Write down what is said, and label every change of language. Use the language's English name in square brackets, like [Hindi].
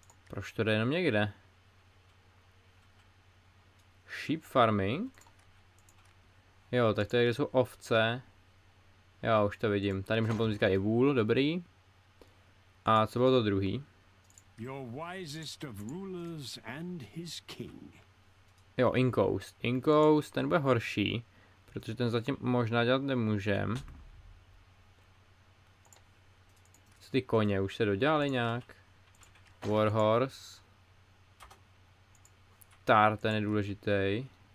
[Czech] Proč to jde jenom někde? Sheep farming. Jo, tak to je, kde jsou ovce. Jo, už to vidím. Tady můžeme potom získat i vůl, dobrý. A co bylo to druhý? [English] Your wisest of rulers and his king. [Czech] Jo, inkoust. Inkoust, ten bude horší. Protože ten zatím možná dělat nemůžem. Co ty koně, už se dodělali nějak? Warhorse. Tar, ten je důležitý.